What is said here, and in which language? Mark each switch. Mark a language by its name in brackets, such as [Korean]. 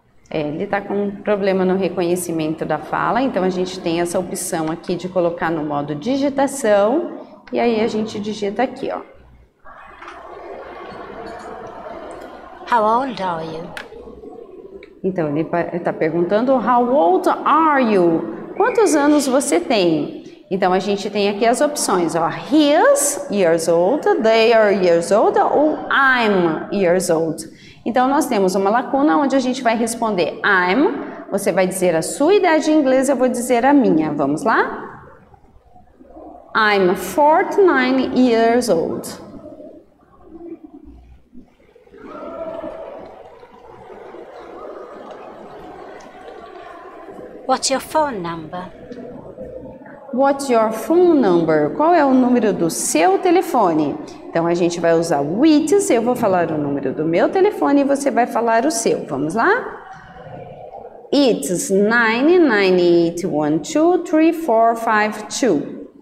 [Portuguese] Ele está com um problema no reconhecimento da fala, então a gente tem essa opção aqui de colocar no modo digitação e aí a gente digita aqui, ó. [English] How old are you? [Portuguese] Então, ele está perguntando [English] how old are you? [Portuguese] Quantos anos você tem? Então, a gente tem aqui as opções, ó. [English] He's years old, they are years old, ou I'm years old. [Portuguese] Então, nós temos uma lacuna onde a gente vai responder I'm. Você vai dizer a sua idade em inglês, eu vou dizer a minha. Vamos lá? [English] I'm 49 years old. What's your phone number? What's your phone number? [Portuguese] Qual é o número do seu telefone? Então, a gente vai usar o it's. Eu vou falar o número do meu telefone e você vai falar o seu. Vamos lá? [English] It's 998123452.